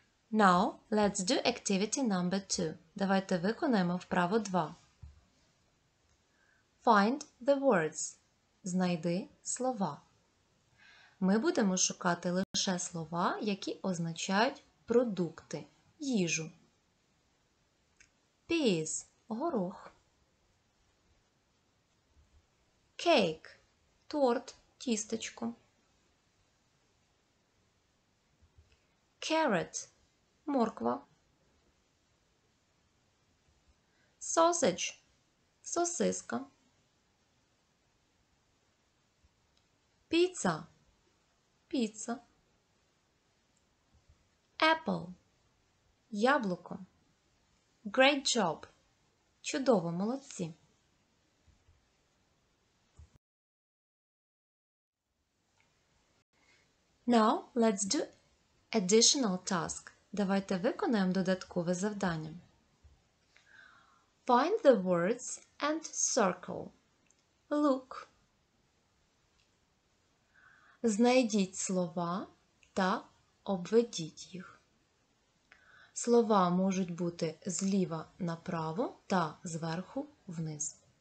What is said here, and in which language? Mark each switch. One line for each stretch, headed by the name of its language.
English: Now, let's do activity number 2.
Ukrainian: Давайте виконаємо вправу 2.
English: Find the words.
Ukrainian: Знайди слова. Ми будемо шукати лише слова, які означають продукти, їжу.
English: Peas – горох. Cake – торт, тістечко. Carrot – морква. Sausage – сосиска. Pizza – піца. Apple – яблуко. Great job!
Ukrainian: Чудово, молодці!
English: Now, let's do additional task.
Ukrainian: Давайте виконаємо додаткове завдання.
English: Find the words and circle. Look.
Ukrainian: Знайдіть слова та обведіть їх. Слова можуть бути зліва направо та зверху вниз.